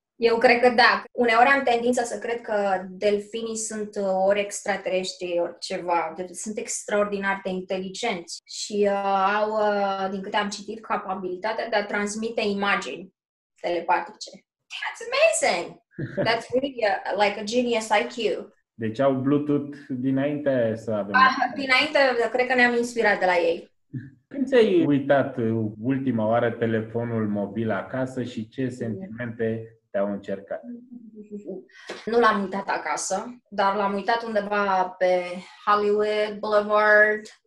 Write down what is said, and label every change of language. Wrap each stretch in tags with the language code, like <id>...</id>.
<ro>Eu cred că da. Uneori am tendința să cred că delfinii sunt ori extraterestri, ori ceva. Sunt extraordinar de inteligenți și au, din câte am citit, capabilitatea de a transmite imagini telepatice.</ro> <en>That's amazing! That's really like a genius IQ.</en> <ro>Deci au Bluetooth dinainte să avem... Dinainte, cred că ne-am inspirat de la ei. Când ți-ai uitat ultima oară telefonul mobil acasă și ce sentimente te-au încercat? Nu l-am uitat acasă, dar l-am uitat undeva pe Hollywood Boulevard.</ro>